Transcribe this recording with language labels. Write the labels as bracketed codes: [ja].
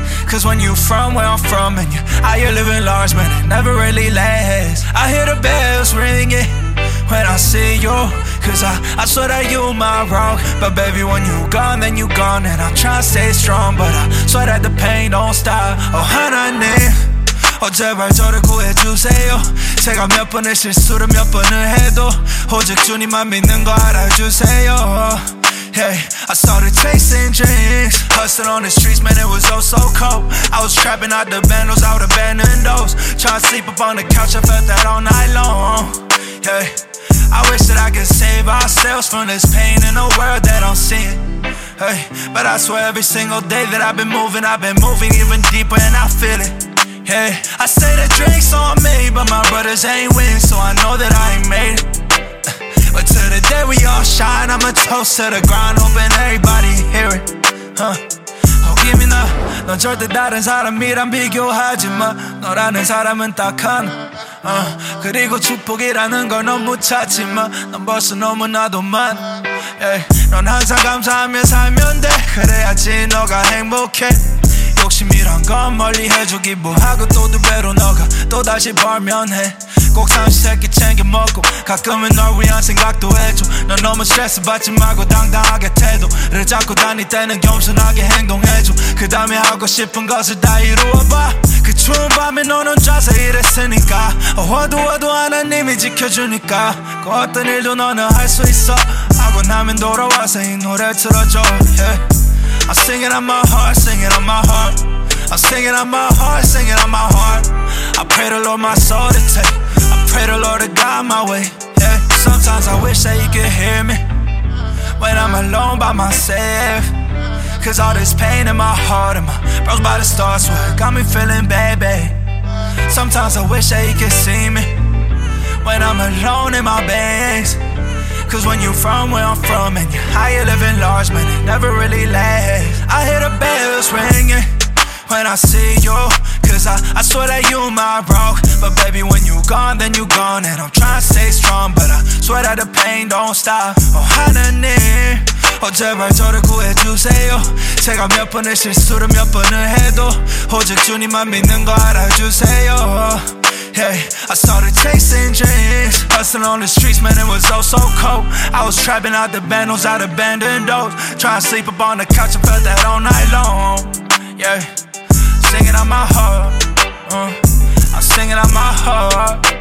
[en] Cause when you from where I'm from and you out here living large, man, it never really lasts. I hear the bells ringing when I see you. Cause I swear that you my wrong. But baby, when you gone, then you gone. And I try to stay strong, but I swear that the pain don't stop. Oh, honey. [ko] Oh, 제발 저를 구해주세요. 제가 몇 번의 실수를 몇 번을 해도 오직 주님만 믿는 거 알아주세요. [en] Hey, I started chasing dreams, hustling on the streets, man, it was oh so cold. I was trapping out the vandals, I would abandon those. Tried to sleep up on the couch, I felt that all night long. Hey, I wish that I could save ourselves from this pain in a world that I'm seeing. Hey, but I swear every single day that I've been moving even deeper and I feel it. Hey, I say the drinks on me, but my brothers ain't winning, so I know that I ain't made it. But to the day we all shine, I'ma toast to the ground, hoping everybody hear it. Huh. Oh, give me the. [ko] 넌 절대 다른 사람이랑 비교하지 마. 너라는 사람은 딱 하나. 그리고 축복이라는 걸 너무 찾지 마. 넌 벌써 너무나도 많아. Yeah. 넌 항상 감사하며 살면 돼. 그래야지 너가 행복해. 욕심이란 건 멀리 해주기 뭐하고 또 두 배로 너가 또다시 벌면 해. 꼭 삼시세끼 챙겨 먹고 가끔은 널 위한 생각도 해줘. 넌 너무 스트레스 받지 말고 당당하게 태도를 잡고 다닐 때는 겸손하게 행동해줘. 그 다음에 하고 싶은 것을 다 이루어봐. 그 추운 밤에 넌 혼자서 일했으니까. 어두워도 하나님이 지켜주니까 그 어떤 일도 너는 할 수 있어. 하고 나면 돌아와서 이 노래 틀어줘. Yeah. [en] I sing it on my heart, sing it on my heart. I sing it on my heart, sing it on my heart. I pray the Lord my soul to take. I pray the Lord to guide my way. Yeah. Sometimes I wish that you could hear me when I'm alone by myself. Cause all this pain in my heart and my bros by the stars, swear, got me feeling bad, babe. Sometimes I wish that you could see me when I'm alone in my bands. Cause when you from where I'm from and you higher living large, man, it never really lasts. I hear the bells ringing when I see you. Cause I swear that you my rock. But baby, when you gone, then you gone. And I'm trying to stay strong, but I swear that the pain don't stop. [ko] Oh, 하나님. Oh, 제발 저를 구해주세요. 제가 몇 번의 실수를 몇 번을 해도 오직 주님만 믿는 거 알아주세요. [en] Hey, I started chasing dreams, hustling on the streets, man, it was oh so cold. I was trapping out the vandals, I'd abandon those. Trying to sleep up on the couch, I felt that all night long. Yeah, singing out my heart. I'm singing out my heart.